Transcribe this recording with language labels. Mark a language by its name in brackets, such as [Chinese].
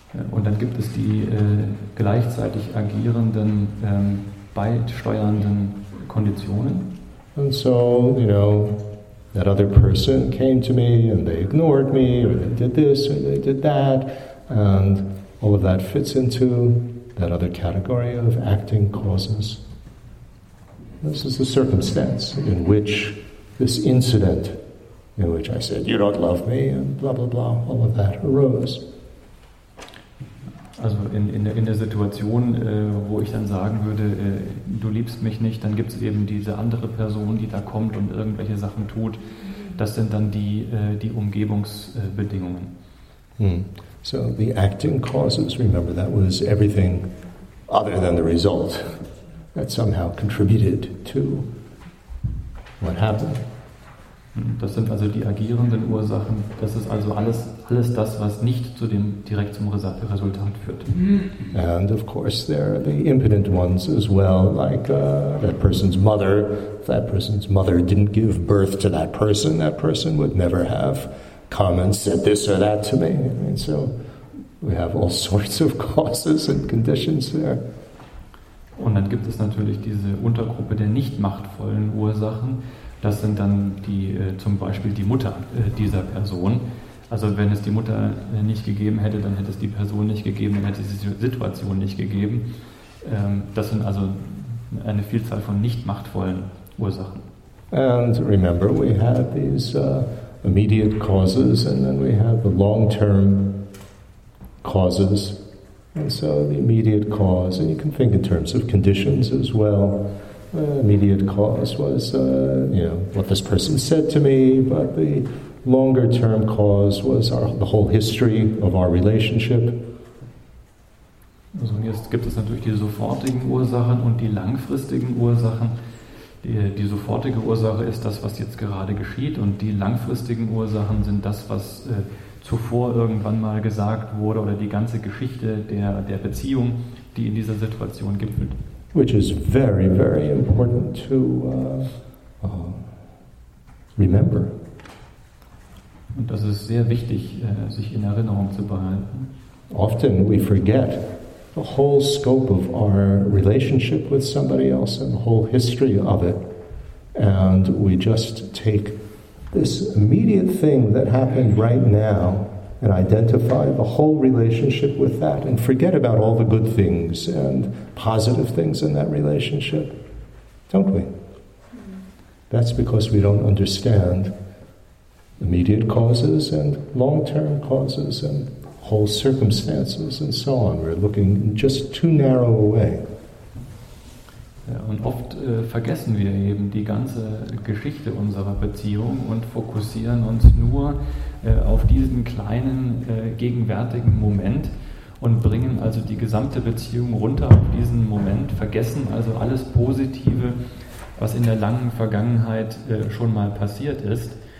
[German] Und dann gibt es die gleichzeitig agierenden, beisteuernden Konditionen. [English] And so, that other person came to me and they ignored me, or they did this or they did that, and all of that fits into that other category of acting causes. This is the circumstance in which this incident, in which I said, you don't love me, and blah, blah, blah, all of that arose. [German] Also in der Situation, wo ich dann sagen würde, du liebst mich nicht, dann gibt es eben diese andere Person, die da kommt und irgendwelche Sachen tut. Das sind dann die Umgebungsbedingungen. [English] So the acting causes, remember, that was everything other than the result that somehow contributed to what happened. [German] Das sind also die agierenden Ursachen. Das ist also alles das, was nicht zu dem direkt zum Resultat führt. [English] And of course there are the impotent ones as well, like that person's mother. If that person's mother didn't give birth to that person would never have come and said this or that to me. And so we have all sorts of causes and conditions there. [German] Und dann gibt es natürlich diese Untergruppe der nicht machtvollen Ursachen. Das sind dann die, zum Beispiel die Mutter dieser Person. Also wenn es die Mutter nicht gegeben hätte, dann hätte es die Person nicht gegeben, dann hätte es die Situation nicht gegeben. Das sind also eine Vielzahl von nicht machtvollen Ursachen. [English] And remember, we have these immediate causes and then we have the long-term causes. And so the immediate cause, and you can think in terms of conditions as well. Immediate cause was, what this person said to me, but the longer-term cause was the whole history of our relationship. [German] Also jetzt gibt es natürlich die sofortigen Ursachen und die langfristigen Ursachen. Die sofortige Ursache ist das, was jetzt gerade geschieht, und die langfristigen Ursachen sind das, was zuvor irgendwann mal gesagt wurde oder die ganze Geschichte der Beziehung, die in dieser Situation gipfelt. [English] Which is very, very important to remember. [German] Und das ist sehr wichtig, sich in Erinnerung zu behalten. [English] Often we forget the whole scope of our relationship with somebody else and the whole history of it, and we just take this immediate thing that happened right now and identify the whole relationship with that and forget about all the good things and positive things in that relationship, don't we? That's because we don't understand immediate causes and long-term causes and whole circumstances and so on. We're looking in just too narrow a way. [German] Ja, und oft vergessen wir eben die ganze Geschichte unserer Beziehung und fokussieren uns nur auf diesen kleinen gegenwärtigen Moment und bringen also die gesamte Beziehung runter auf diesen Moment, vergessen also alles Positive, was in der langen Vergangenheit schon mal passiert ist.